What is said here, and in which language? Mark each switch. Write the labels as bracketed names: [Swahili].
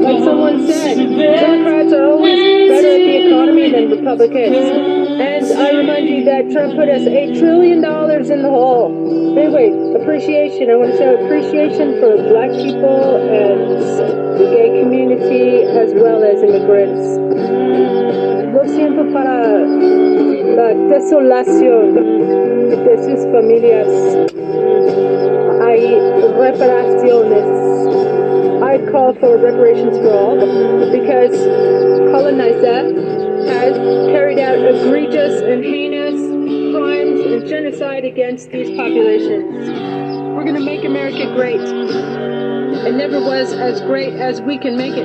[English] Like someone said, Democrats are always better at the economy than Republicans. And I remind you that Trump put us $8 trillion in the hole. Anyway, appreciation. I want to show appreciation for black people and the gay community, as well as immigrants. [Spanish] Lo siento para la desolación de sus familias. Hay reparaciones. [English] I call for reparations for all, because colonizer has carried out egregious and heinous crimes and genocide against these populations. We're going to make America great. It never was as great as we can make it.